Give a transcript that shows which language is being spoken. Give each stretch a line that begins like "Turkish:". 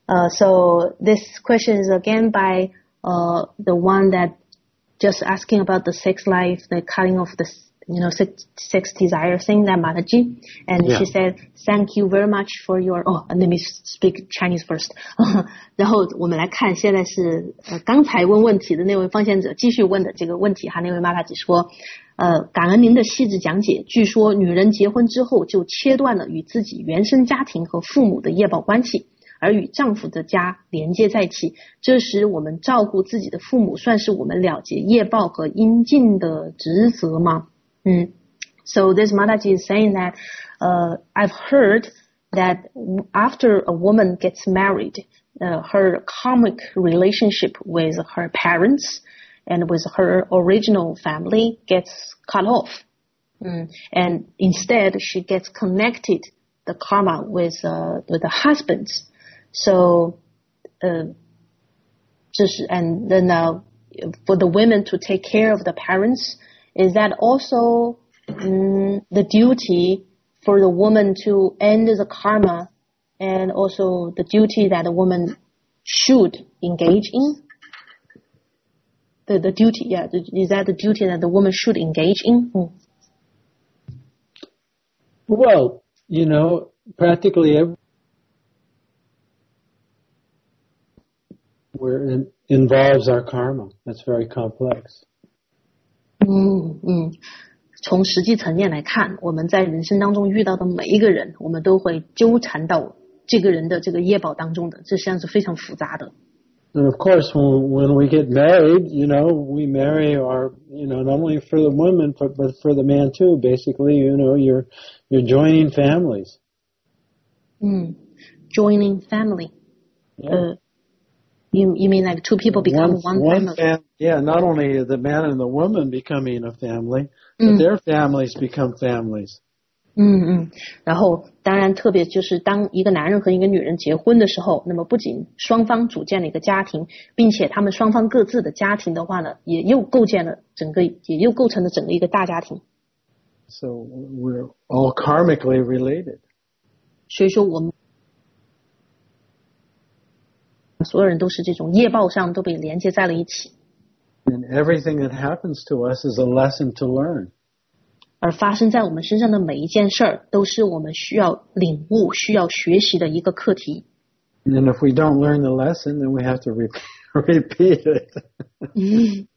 English: So this question is again by the one that just asking about the sex life, the cutting off the, you know, six desire thing, that Mataji. And yeah. she said, thank you very much for your, oh, let me speak Chinese first.
Chinese: 然后我们来看现在是刚才问问题的那位奉献者继续问的这个问题哈，那位Mataji说，感恩您的细致讲解，据说女人结婚之后就切断了与自己原生家庭和父母的业报关系，而与丈夫的家连接在一起，这时我们照顾自己的父母算是我们了结业报和应尽的职责吗？
English: 嗯 ，So this Mataji is saying that, I've heard that after a woman gets married, her karmic relationship with her parents and with her original family gets cut off. And instead she gets connected the karma with the husbands. So, and then for the women to take care of the parents, is that also, the duty for the woman to end the karma and also the duty that a woman should engage in? The duty, yeah, is that the duty that the woman should engage in? Well, you know, practically where it involves our karma. That's very complex.
Chinese: 从实际层面来看，我们在人生当中遇到的每一个人，我们都会纠缠到这个人的这个业报当中的，这实际上是非常复杂的。
English: And of course, when we get married, you know, we marry our, you know, not only for the woman, but for the man too. Basically, you know, you're joining families. Joining family. Yeah. You mean like two people become one family? Yeah, not only the man and the woman becoming a family, but their families become families.
Chinese: 然后当然特别就是当一个男人和一个女人结婚的时候，那么不仅双方组建了一个家庭，并且他们双方各自的家庭的话呢，也又构建了整个，也又构成了整个一个大家庭。
English: So we're all karmically related.
Chinese: 所以说我们所有人都是这种业报上都被连接在了一起。
English: And everything that happens to us is a lesson to learn.
Chinese: 而发生在我们身上的每一件事儿都是我们需要领悟需要学习的一个课题。
English: And if we don't learn the lesson, then we have to repeat it.